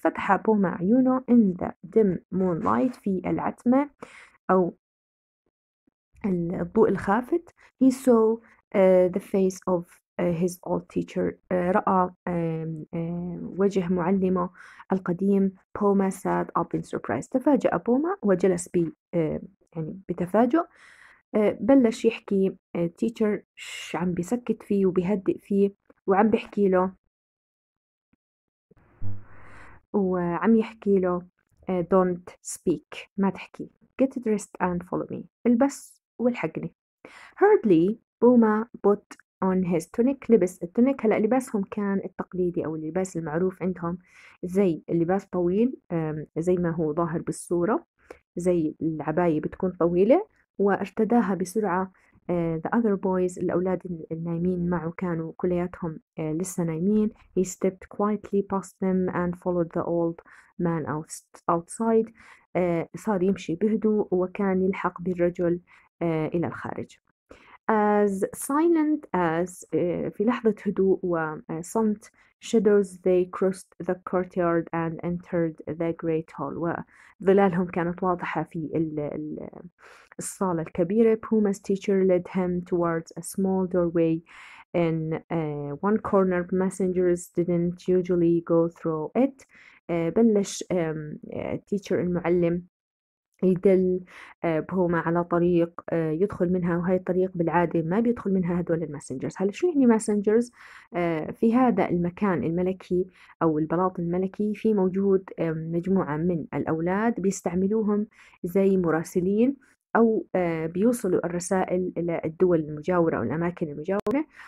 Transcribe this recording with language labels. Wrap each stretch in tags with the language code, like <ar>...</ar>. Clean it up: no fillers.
<ar>فتح بوما عيونه</ar> <en>in the dim moonlight,</en> <ar>في العتمة أو الضوء الخافت.</ar> <en>He saw the face of his old teacher.</en> <ar>رأى وجه معلمه القديم.</ar> <en>Poma sat up in surprise.</en> <ar>تفاجأ Poma وجلس بتفاجأ. بلش يحكي teacher عم بيسكت فيه وبيهدئ فيه وعم بيحكي له وعم يحكي له</ar> <en>don't speak,</en> <ar>ما تحكي.</ar> <en>Get dressed and follow me,</en> <ar>البس والحقني.</ar> <en>Hardly Poma put on his tunic,</en> <ar>لبس التونيك. هلأ لباسهم كان التقليدي أو اللباس المعروف عندهم زي اللباس طويل زي ما هو ظاهر بالصورة, زي العباية بتكون طويلة وارتداها بسرعة.</ar> <en>The other boys,</en> <ar>الأولاد النايمين معه كانوا كلياتهم لسه نايمين.</ar> <en>He stepped quietly past them and followed the old man outside.</en> <ar>صار يمشي بهدوء وكان يلحق بالرجل إلى الخارج.</ar> <en>As silent as</en> <ar>في لحظة هدوء وصمت,</ar> <en>shadows they crossed the courtyard and entered the great hall.</en> <ar>وظلالهم كانت واضحة في الصالة الكبيرة.</ar> <en>Puma's teacher led him towards a small doorway in one corner. Messengers didn't usually go through it.</en> <ar>بلش teacher المعلم يدل بهما على طريق يدخل منها، وهي الطريق بالعادة ما بيدخل منها هدول الماسنجرز. هل شو يعني ماسنجرز؟ في هذا المكان الملكي أو البلاط الملكي في موجود مجموعة من الأولاد بيستعملوهم زي مراسلين، أو بيوصلوا الرسائل إلى الدول المجاورة أو الأماكن المجاورة.</ar>